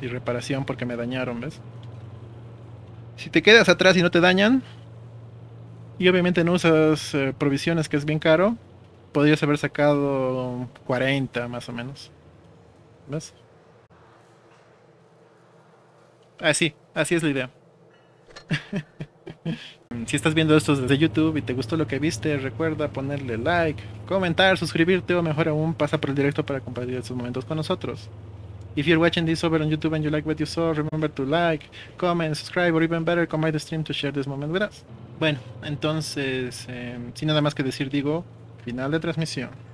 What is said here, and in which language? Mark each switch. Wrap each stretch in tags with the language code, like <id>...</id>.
<es>Y reparación porque me dañaron, ¿ves? Si te quedas atrás y no te dañan, y obviamente no usas provisiones, que es bien caro, podrías haber sacado 40 más o menos. ¿Ves? Así es la idea. Si estás viendo esto desde YouTube y te gustó lo que viste, recuerda ponerle like, comentar, suscribirte o mejor aún, pasa por el directo para compartir estos momentos con nosotros.</es> <en>If you're watching this over on YouTube and you like what you saw, remember to like, comment, subscribe, or even better, come by the stream to share this moment with us.</en> <es>Bueno, entonces, sin nada más que decir, digo, final de transmisión.</es>